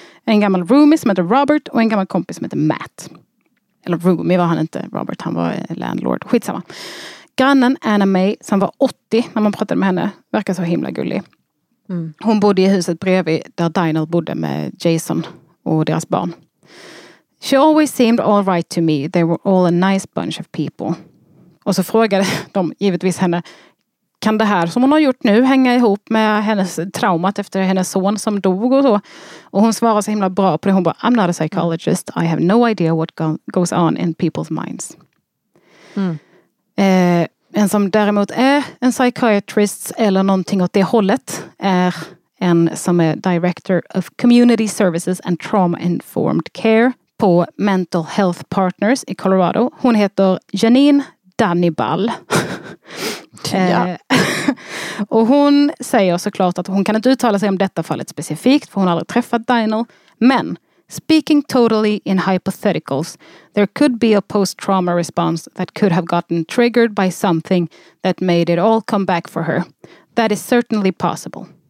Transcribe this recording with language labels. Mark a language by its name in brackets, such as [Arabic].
[Swedish] En gammal roomie som heter Robert. Och en gammal kompis som heter Matt. Eller roomie var han inte, Robert, han var landlord. Skitsamma. Grannen Anna May, som var 80 när man pratade med henne, verkar så himla gullig. Mm. Hon bodde i huset bredvid där Dinah bodde med Jason och deras barn. [English] She always seemed all right to me. They were all a nice bunch of people. [Swedish] Och så frågade de givetvis henne, kan det här som hon har gjort nu hänga ihop med hennes traumat efter hennes son som dog och så? Och hon svarade så himla bra på det. Hon bara, [English] I'm not a psychologist. I have no idea what goes on in people's minds. Mm. [Swedish] En som däremot är en psychiatrist eller någonting åt det hållet är en som är [English] director of community services and trauma-informed care [Swedish] på Mental Health Partners i Colorado. Hon heter Janine Dannibal. Ja. Och hon säger såklart att hon kan inte uttala sig om detta fallet specifikt, för hon har aldrig träffat Dinah. [English] Men, speaking totally in hypotheticals, there could be a post-trauma response that could have gotten triggered by something that made it all come back for her. That is certainly possible.